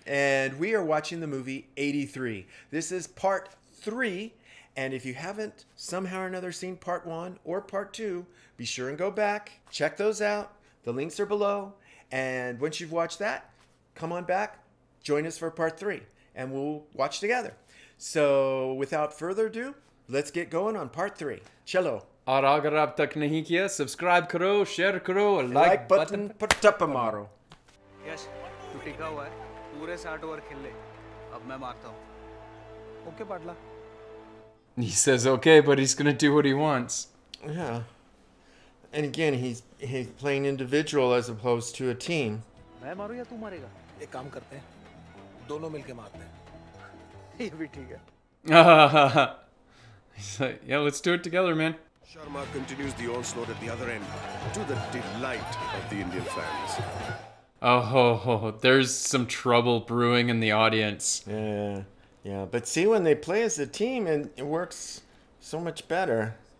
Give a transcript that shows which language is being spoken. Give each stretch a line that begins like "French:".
English: And we are watching the movie 83. This is part three, and if you haven't somehow or another seen part one or part two, be sure and go back. Check those out. The links are below. And once you've watched that, come on back, join us for part three, and we'll watch together. So without further ado, let's get going on part three. Cello.
Hindi: और अगर अब तक नहीं किया subscribe करो share करो like button पर टप मारो यस तू टिका हुआ है पूरे 60 ओवर खेल ले अब मैं मारता हूं ओके पाटला
English: he says okay but he's going to do what he wants yeah and again he's playing individual as opposed to a team
Hindi: मैं मारूं या तू मारेगा एक काम करते हैं दोनों मिलके मारते हैं ये भी ठीक है
English: he's like, yeah let's do it together man Sharma continues the onslaught at the other end, to the delight of the Indian fans. Oh, there's some trouble brewing in the audience. Yeah. But see, when they play as a team, it works so much better.